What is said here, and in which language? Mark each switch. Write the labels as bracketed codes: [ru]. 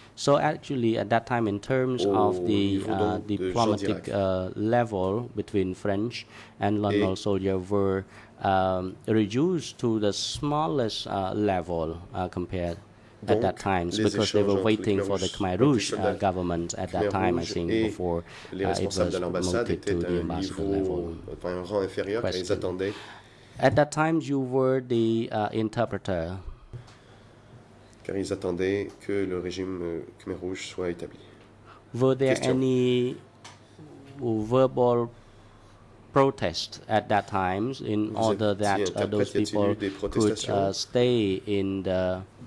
[en] So actually, at that time, in terms of the diplomatic level between French and Lannol soldier, were reduced to the smallest level compared. At that time, because they were waiting for the Khmer Rouge government at that time, I think, before it was promoted to the ambassador level. At that time, you were the interpreter. [fr] Car ils attendaient que le régime Khmer Rouge soit établi. [en] Were there any verbal protest at that time in order that those people could stay in the